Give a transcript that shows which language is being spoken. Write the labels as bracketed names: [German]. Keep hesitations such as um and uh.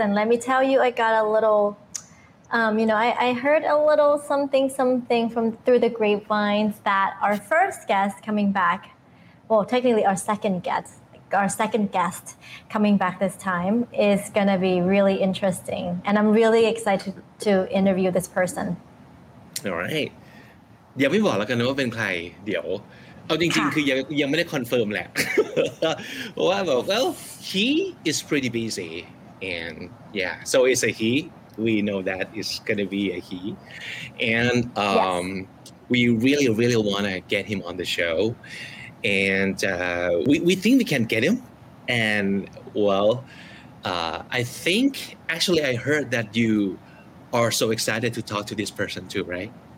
[English] And let me tell you, I got a little, um, you know, I, I heard a little something, something from through the grapevines that our first guest coming back, well, technically our second guest, our second guest coming back this time is going to be really interesting. And I'm really excited to interview this person. alright [Thai] อย่าไม่บอกแล้วกันนะว่าเป็นใคร เดี๋ยว เอาจริงๆ ค่ะ คือยังยังไม่ได้คอนเฟิร์มแหละ เพราะว่าแบบ [English] well he is pretty busy and yeah so it's a he we know that it's gonna be a he and um we really really wanna get him on the show and uh, we we think we can get him and well uh, I think actually I heard that you are so excited to talk to this person too right